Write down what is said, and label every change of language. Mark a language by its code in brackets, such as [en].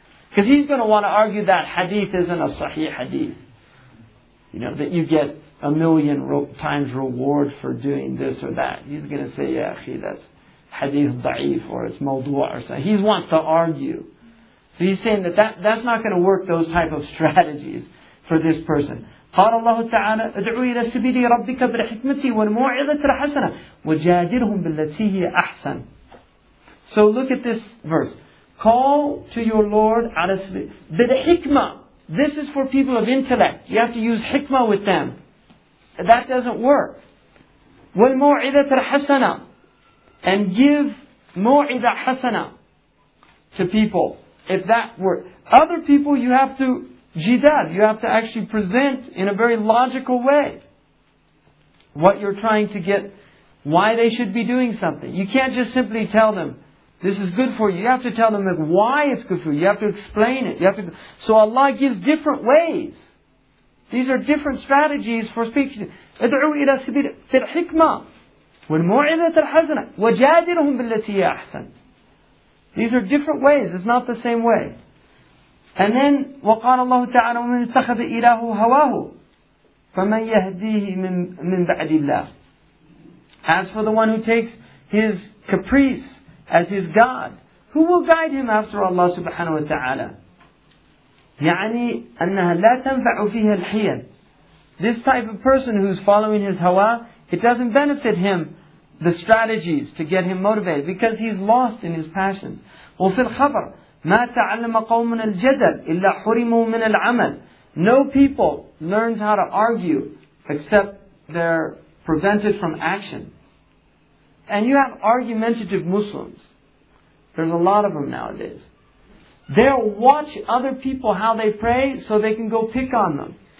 [en] Because he's going to want to argue that hadith isn't a sahih hadith. You know, that you get a million times reward for doing this or that. He's going to say, yeah, akhi, that's hadith da'if or it's mawdu'ah or something. He wants to argue. So he's saying that's not going to work, those type of strategies. For this person. [ar] قال الله تعالى ادعوا إلى سبيل ربك بالحكمة والموعظة الحسنة وجادلهم بالتي هي أحسن. [en] So look at this verse. Call to your Lord [ar] على سبيل. بالحكمة. [en] This is for people of intellect. You have to use hikmah with them. That doesn't work. [ar] والموعظة الحسنة. [en] And give [ar] موعظة حسنة [en] to people. If that works. Other people you have to jidal, you have to actually present in a very logical way what you're trying to get why they should be doing something. You can't just simply tell them, this is good for you. You have to tell them like, why it's good for you. You have to explain it. You have to. So Allah gives different ways. These are different strategies for speaking. [ar] ادعوا إلى سبيل في الحكمة والموعظة الحسنة وجادلهم بالتي هي أحسن. [en] These are different ways. It's not the same way. And then, [ar] وقال الله تعالى ومن اتخذ إله هواه فمن يهديه من بعد الله. [en] As for the one who takes his caprice as his God, who will guide him after Allah subhanahu wa ta'ala? [ar] يعني أنها لا تنفع فيها الحيل. [en] This type of person who's following his hawa, it doesn't benefit him the strategies to get him motivated because he's lost in his passions. [ar] وفي الخبر ما تعلم قوم الجدل إلا حرموا من العمل. [en] No people learns how to argue except they're prevented from action. And you have argumentative Muslims. There's a lot of them nowadays. They'll watch other people how they pray so they can go pick on them.